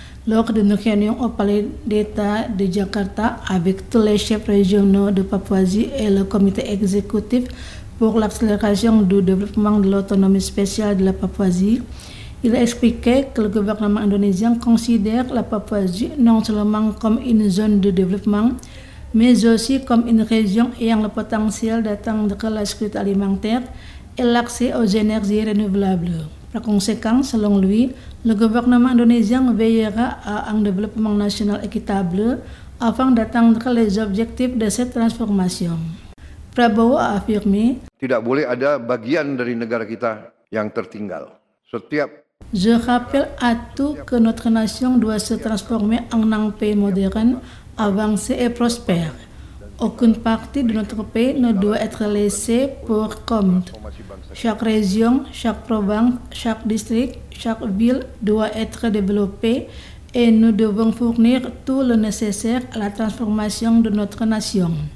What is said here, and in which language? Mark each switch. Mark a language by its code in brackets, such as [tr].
[fr] Lors d'une réunion au Palais d'État de Jakarta avec tous les chefs régionaux de Papouasie et le comité exécutif pour l'accélération du développement de l'autonomie spéciale de la Papouasie, il expliquait que le gouvernement indonésien considère la Papouasie non seulement comme une zone de développement, mais aussi comme une région ayant le potentiel d'atteindre la sécurité alimentaire et l'accès aux énergies renouvelables. Par conséquent, selon lui, le gouvernement indonésien veillera à un développement national équitable afin d'atteindre les objectifs de cette transformation. Prabowo a affirmé : [id] Tidak boleh ada bagian dari negara kita yang tertinggal. [fr] Je rappelle à tous que notre nation doit se transformer en un pays moderne, avancé et prospère. Aucune partie de notre pays ne doit être laissée pour compte. Chaque région, chaque province, chaque district, chaque ville doit être développée et nous devons fournir tout le nécessaire à la transformation de notre nation.